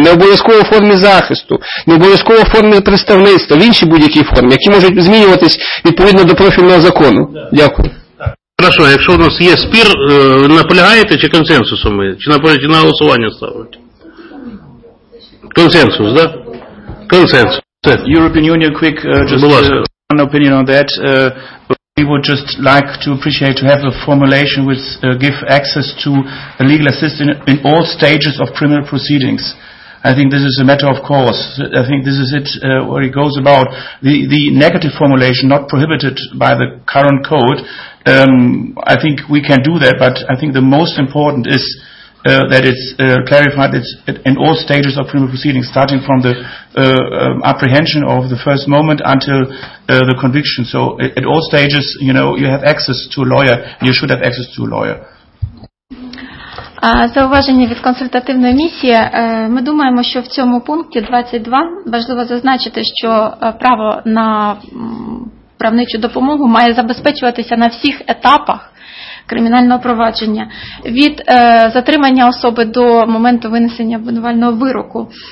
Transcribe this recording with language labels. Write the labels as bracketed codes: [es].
[uk] Не обов'язково в формі захисту, не обов'язково в формі представництва, в іншій будь-якій формі, які можуть змінюватись відповідно до профільного закону. Дякую. Хорошо, якщо у нас є спір, наполягаєте чи консенсусом ми? Чи наполягаєте на голосування ставити? Консенсус, да? Консенсус. [en] European Union, quick, just one opinion on that. We would just like to appreciate to have a formulation which give access to a legal assistance in all stages of criminal proceedings. I think this is a matter of course. I think this is it, where it goes about. The negative formulation, not prohibited by the current code, I think we can do that, but I think the most important is that it's clarified it's in all stages of criminal proceedings, starting from the apprehension of the first moment until the conviction. So at all stages, you know, you have access to a lawyer, you should have access to a lawyer. [uk] Зауваження від консультативної місії. Ми думаємо, що в цьому пункті 22 важливо зазначити, що право на правничу допомогу має забезпечуватися на всіх етапах кримінального провадження. Від затримання особи до моменту винесення обвинувального вироку.